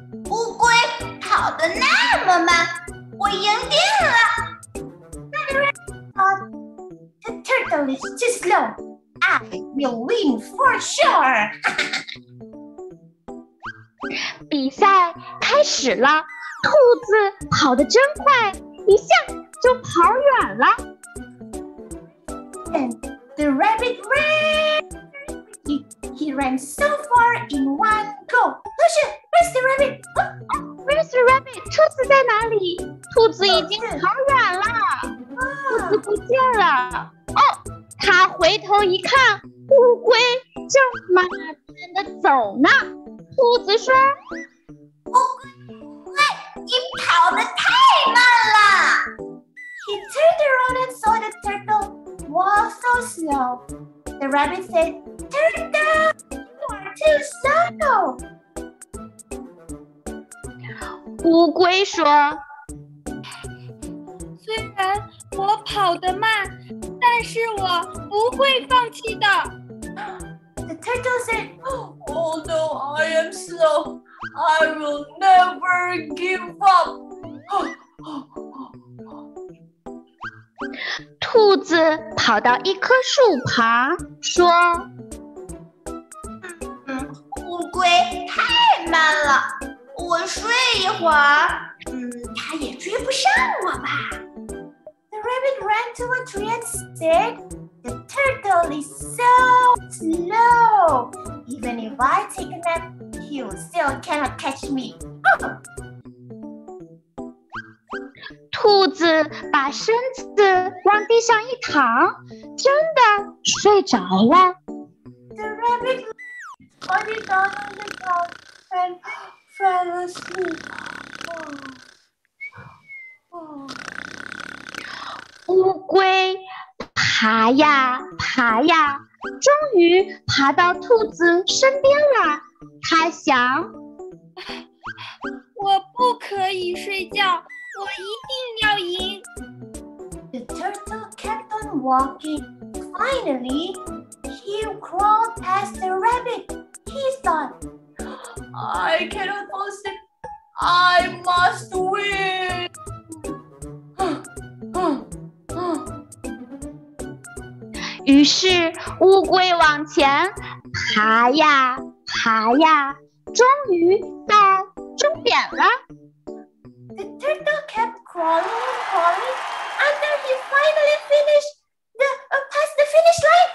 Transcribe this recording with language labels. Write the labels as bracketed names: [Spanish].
[Chinese] 乌龟跑得那么慢我赢定了 [English] The turtle is too slow I will win for sure [Chinese] 比赛开始了，兔子跑得真快，一下就跑远了。 [English] And the rabbit ran. He ran so far in one go. 兔子 ，Where's the rabbit? Where's the rabbit? [Chinese] 兔子在哪里？兔子已经跑远了，兔子不见了。他回头一看，乌龟正慢慢地走呢。兔子说：“ 乌龟，你跑得太慢了。” [English] He turned around and saw the turtle walk so slow. The rabbit said, "Turtle, you are too slow." [Chinese] 乌龟说：“ 虽然我跑得慢，但是我不会放弃的。” [English] The turtle said. Although I am slow, I will never give up. [Chinese] 子跑到一棵树旁，说：“ 乌龟太慢了，我睡一会儿，它也追不上我吧。” [English] The rabbit ran to a tree and said, "The turtle is so slow. Even if I take a nap, he still cannot catch me." [Chinese] 兔子把身子往地上一躺，真的睡着了。 [English] The rabbit lay down on the ground and fell asleep. [Chinese] 乌龟爬呀爬呀，终于爬到兔子身边了。它想： 我不可以睡觉。我一定要赢。 [English] The turtle kept on walking. Finally, he crawled past the rabbit. He thought, I cannot fall asleep. I must win. [Chinese] 于是乌龟往前爬呀爬呀，终于到终点了。 [English] The turtle kept crawling and crawling until he finally finished past the finish line.